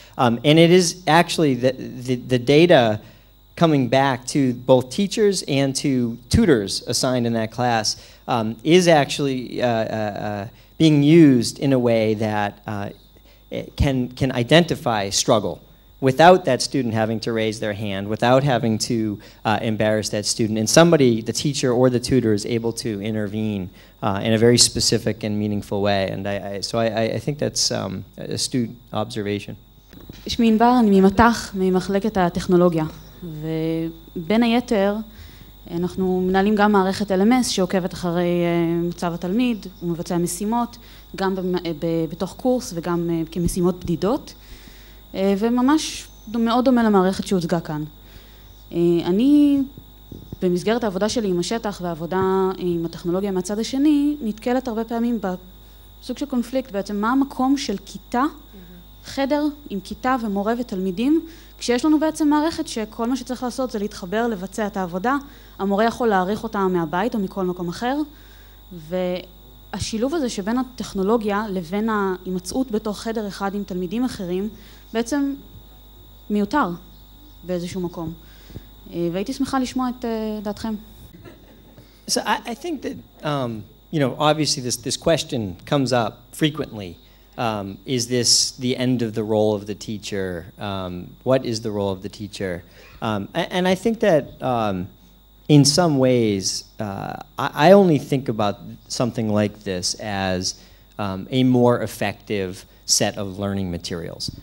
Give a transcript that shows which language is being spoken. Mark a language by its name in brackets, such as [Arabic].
[English] And it is actually the data coming back to both teachers and to tutors assigned in that class is actually being used in a way that can identify struggle without that student having to raise their hand, without having to embarrass that student. And somebody, the teacher or the tutor, is able to intervene in a very specific and meaningful way. And I think that's a astute observation. [Hebrew] שמי ענבר, אני ממתח, ממחלקת הטכנולוגיה. ובין היתר, אנחנו מנהלים גם מערכת LMS שעוקבת אחרי מצב התלמיד, הוא מבצע משימות, גם בתוך קורס וגם כמשימות בדידות. וממש מאוד דומה למערכת שהוצגה כאן. אני במסגרת העבודה שלי עם השטח והעבודה עם הטכנולוגיה מהצד השני, נתקלת הרבה פעמים בסוג של קונפליקט, בעצם מה המקום של כיתה, חדר עם כיתה ומורה ותלמידים, כשיש לנו בעצם מערכת שכל מה שצריך לעשות זה להתחבר, לבצע את העבודה, המורה יכול להעריך אותה מהבית או מכל מקום אחר, והשילוב הזה שבין הטכנולוגיה לבין ההימצאות בתוך חדר אחד עם תלמידים אחרים, בעצם מיותר באיזשהו מקום. והייתי שמחה לשמוע את דעתכם. [English] So I think that, you know, obviously this question comes up frequently. Is this the end of the role of the teacher? What is the role of the teacher? And I think that in some ways, I only think about something like this as a more effective set of learning materials.